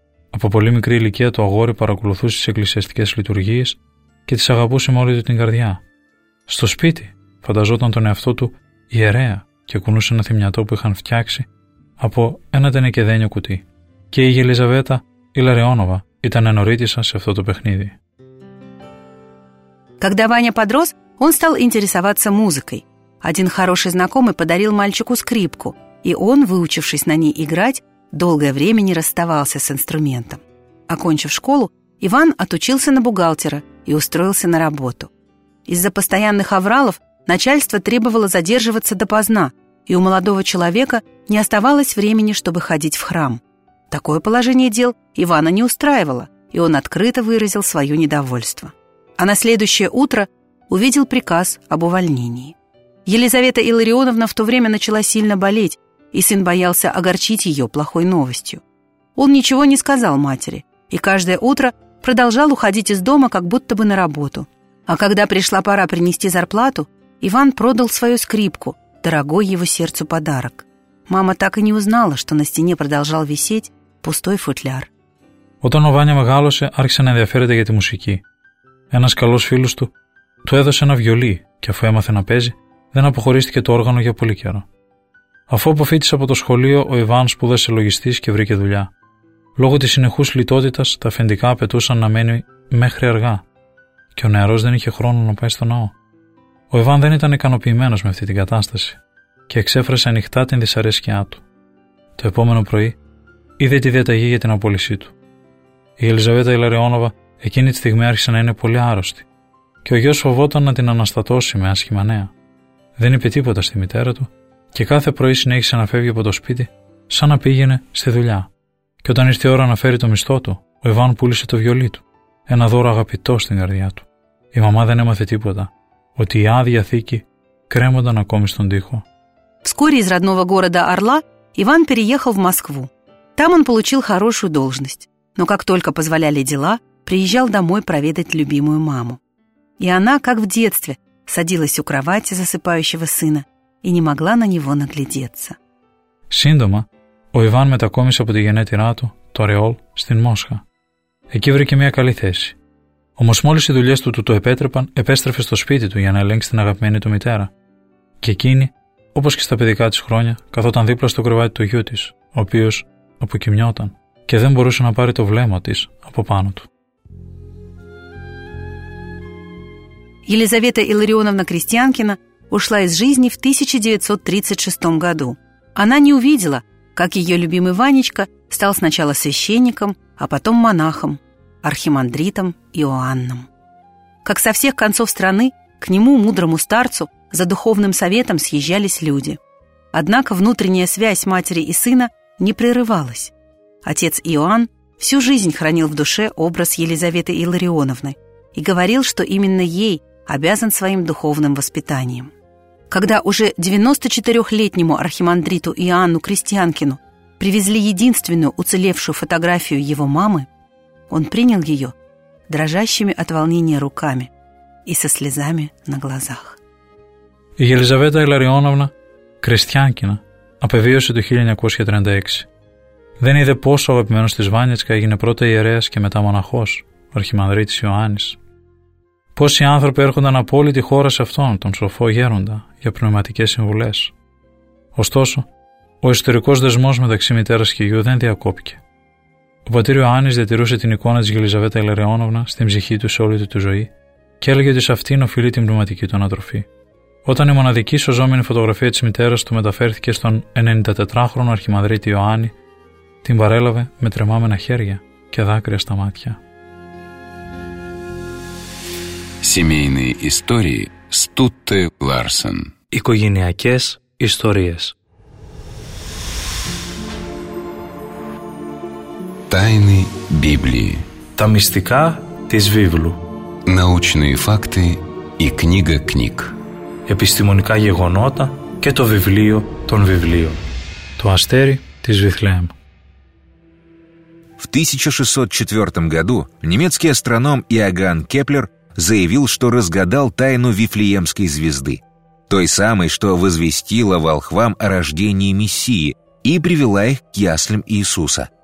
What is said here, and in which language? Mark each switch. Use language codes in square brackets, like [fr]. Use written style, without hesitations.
[el] Από πολύ μικρή ηλικία το αγόρι παρακολουθούσε τις εκκλησιαστικές λειτουργίες και τις αγαπούσε με όλη του την καρδιά. Στο σπίτι φανταζόταν τον εαυτό του ιερέα και κουνούσε ένα θυμιατό που είχαν φτιάξει από ένα τενεκεδένιο κουτί. Και η Ελιζαβέτα Ιλαριόνοβα ήταν ενορίτησα σε αυτό το παιχνίδι. [ru] Когда Ваня подрос, он стал интересоваться музыкой. Один хороший знакомый подарил мальчику скрипку, и он, выучившись на ней играть, долгое время не расставался с инструментом. Окончив школу, Иван отучился на бухгалтера и устроился на работу. Из-за постоянных авралов начальство требовало задерживаться допоздна, и у молодого человека не оставалось времени, чтобы ходить в храм. Такое положение дел Ивана не устраивало, и он открыто выразил свое недовольство. А на следующее утро увидел приказ об увольнении. Елизавета Илларионовна в то время начала сильно болеть, и сын боялся огорчить ее плохой новостью. Он ничего не сказал матери, и каждое утро продолжал уходить из дома, как будто бы на работу. А когда пришла пора принести зарплату, Иван продал свою скрипку, дорогой его сердцу подарок. Мама так и не узнала, что на стене продолжал висеть пустой футляр. [el] Όταν ο Βάνια μεγάλωσε, άρχισε να ενδιαφέρεται για τη μουσική. Ένας καλός φίλος του του έδωσε ένα βιολί και αφού έμαθε να παίζει, δεν αποχωρίστηκε το όργανο για πολύ καιρό. Αφού αποφύτησε από το σχολείο, ο Ιβάν σπούδασε λογιστής και βρήκε δουλειά. Λόγω της συνεχούς λιτότητας, τα αφεντικά απαιτούσαν να μένει μέχρι αργά και ο νεαρός δεν είχε χρόνο να πάει στο ναό. Ο Ιβάν δεν ήταν ικανοποιημένος με αυτή την κατάσταση και εξέφρασε ανοιχτά την δυσαρέσκειά του. Το επόμενο πρωί είδε τη διαταγή για την απόλυσή του. Η Ελιζαβέτα Ηλαριώνοβα εκείνη τη στιγμή άρχισε να είναι πολύ άρρωστη και ο γιος φοβόταν να την αναστατώσει με άσχημα νέα. Δεν είπε τίποτα στη μητέρα του και κάθε πρωί συνέχισε να φεύγει από το σπίτι σαν να πήγαινε στη δουλειά. Και όταν ήρθε η ώρα να φέρει το μισθό του, ο Ιβάν πούλησε το βιολί του, ένα δώρο αγαπητό στην καρδιά του. Η μαμά δεν έμαθε τίποτα, ότι η άδεια θήκη κρέμονταν ακόμη στον τοίχο. [ru] Вскоре из родного города Орла Иван переехал в Москву. Там он получил хорошую должность. Но как только позволяли дела, приезжал домой проведать любимую маму. И она, как в детстве, садилась у кровати засыпающего сына и не могла на него наглядеться. [el] Σύντομα, ο Ιβάν μετακόμισε από τη γενέτειρά του, το Ρεόλ, στην Μόσχα. Εκεί βρήκε μια καλή θέση. Όμως μόλις οι δουλειές του το επέτρεπαν, επέστρεφε στο σπίτι του για να ελέγξει την αγαπημένη του μητέρα. Και εκείνη, όπως και στα παιδικά της χρόνια, καθόταν δίπλα στο κρεβάτι του γιού της, ο οποίος αποκοιμιόταν και δεν μπορούσε να πάρει το βλέμμα της από πάνω του. [ru] Елизавета Илларионовна Крестьянкина ушла из жизни в 1936 году. Она не увидела, как ее любимый Ванечка стал сначала священником, а потом монахом, архимандритом Иоанном. Как со всех концов страны, к нему, мудрому старцу, за духовным советом съезжались люди. Однако внутренняя связь матери и сына не прерывалась. Отец Иоанн всю жизнь хранил в душе образ Елизаветы Илларионовны и говорил, что именно ей обязан своим духовным воспитанием. Когда уже 94-летнему архимандриту Иоанну Крестьянкину привезли единственную уцелевшую фотографию его мамы, он принял ее дрожащими от волнения руками и со слезами на глазах. [el] Η Ελιζαβέτα Ηλαριώνοβνα Κριστιάνκινα απεβίωσε το 1936. Δεν είδε πόσο αγαπημένος της Βάνιτσκα έγινε πρώτα ιερέας και μετά μοναχός, ο αρχιμανδρίτης Ιωάννης. Πόσοι άνθρωποι έρχονταν από όλη τη χώρα σε αυτόν τον σοφό γέροντα για πνευματικές συμβουλές. Ωστόσο, ο ιστορικός δεσμός μεταξύ μητέρας και γιου δεν διακόπηκε. Ο πατήρ Ιωάννης διατηρούσε την εικόνα της Ελιζαβέτα Ηλαριώνοβνα στην ψυχή του σε όλη τη ζωή και έλεγε ότι σε αυτήν οφείλει την πνευματική του ανατροφή. Όταν η μοναδική σωζόμενη φωτογραφία της μητέρας του μεταφέρθηκε στον 94χρονο αρχιμανδρίτη Ιωάννη, την παρέλαβε με τρεμάμενα χέρια και δάκρυα στα μάτια. [ru] Семейные истории Стутте Ларсен. [el] Οικογενειακές ιστορίες. [ru] Тайны Библии. [el] Τα μυστικά της Βίβλου. [ru] Научные факты и книга книг. [el] Επιστημονικά γεγονότα και το βιβλίο των βιβλίων. Το αστέρι της Βηθλεέμ. [ru] В 1604 году немецкий астроном Иоганн Кеплер заявил, что разгадал тайну Вифлеемской звезды, той самой, что возвестила волхвам о рождении Мессии и привела их к яслям Иисуса.